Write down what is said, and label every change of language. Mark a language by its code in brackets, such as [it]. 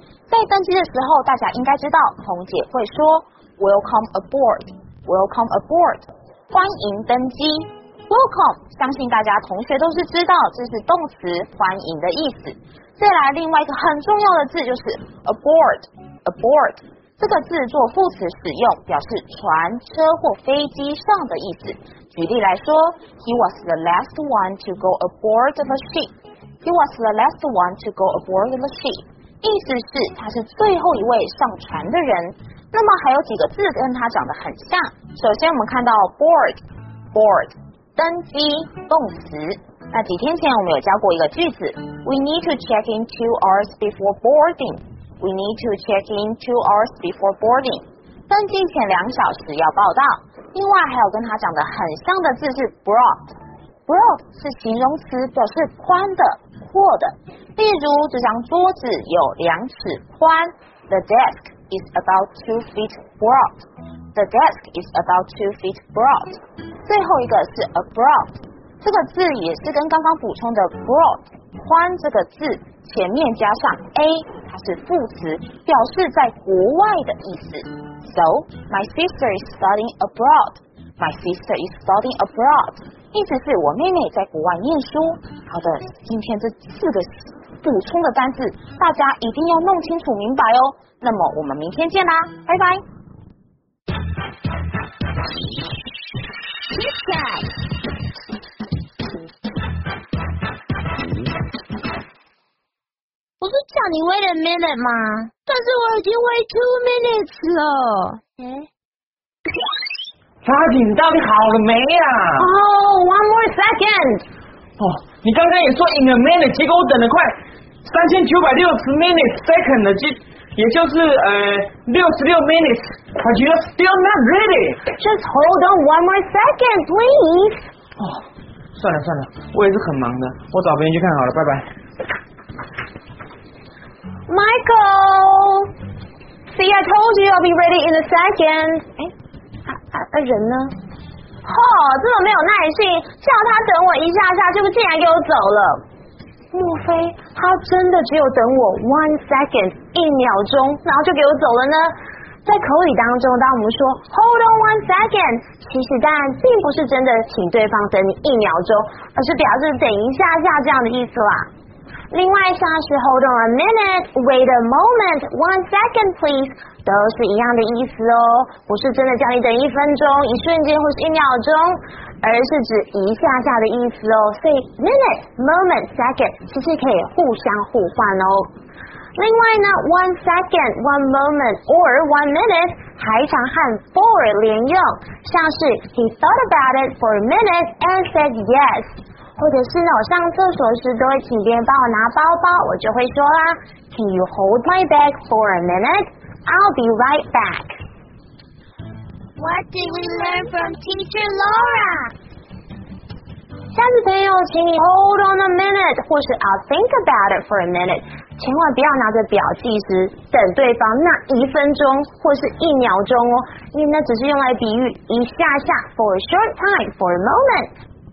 [zh] 在登机的时候，大家应该知道，红姐会说 [en] Welcome aboard, Welcome aboard, [zh] 欢迎登机。 Welcome, 相信大家同学都是知道，这是动词欢迎的意思。再来另外一个很重要的字就是 aboard, aboard, 这个字做副词使用，表示船、车或飞机上的意思。举例来说 [en] ，He was the last one to go aboard the ship. He was the last one to go aboard the ship. [zh] 意思是他是最后一位上船的人。那么还有几个字跟他长得很像。首先我们看到 board, board, 登机动词。那几天前我们有教过一个句子 [en] ，We need to check in 2 hours before boarding. We need to check in 2 hours before boarding. [zh] 登机前2小时要报到。另外还有跟它长得很像的字是 broad， broad 是形容词，表示宽的、阔的。例如，这张桌子有2尺宽。 [en] The desk is about 2 feet broad. The desk is about 2 feet broad. [zh] 最后一个是 abroad， 这个字也是跟刚刚补充的 broad 宽这个字前面加上 a， 它是副词，表示在国外的意思。 [en] So, my sister is studying abroad. My sister is studying abroad. [zh] 意思是我妹妹在国外念书。好的，今天这四个补充的单字，大家一定要弄清楚明白哦。那么我们明天见啦，拜拜。我是叫你 [en] wait a minute [zh] 吗？但是我已经 [en] wait 2 minutes [zh] 了。嗯，查理，你到底好了没啊？ [en] 哦 ，one more second。 [zh] 哦，你刚刚也说 [en] in a minute， [zh] 结果我等了快3960 minutes second 的，也就是66 minutes， [en] but you're still not ready。 Just hold on one more second, please。 [zh] 哦，算了算了，我也是很忙的，我找别人去看好了，拜拜。 [en] Michael。 See, I told you I'll be ready in a second. [zh] 人呢？哦，这么没有耐心，叫他等我一下下，就竟然给我走了。莫非他真的只有等我 [en] one second [zh] 一秒钟，然后就给我走了呢？在口语当中，当我们说 [en] hold on one second， [zh] 其实当然并不是真的请对方等你一秒钟，而是表示等一下下这样的意思啦。另外像是 [en] hold on a minute, wait a moment, one second please, [zh] 都是一样的意思哦，不是真的叫你等一分钟、一瞬间或是一秒钟，而是指一下下的意思哦。所以 minute, moment, second 其实可以互相互换哦。另外呢， [en] one second, one moment, or one minute [zh] 还常和 [en] for [zh] 连用，像是 [en] he thought about it for a minute and said yes。 [zh] 或者是呢，我上厕所时都会请别人帮我拿包包，我就会说啦 ， [en] Can you hold my bag for a minute? I'll be right back. What did we learn from Teacher Laura? [zh] 下次朋友，请你 [en] hold on a minute， [zh] 或是 [en] I'll think about it for a minute， [zh] 千万不要拿着表计时等对方那一分钟或是一秒钟哦，因为那只是用来比喻一下下 ， [en] for a short time， for a moment。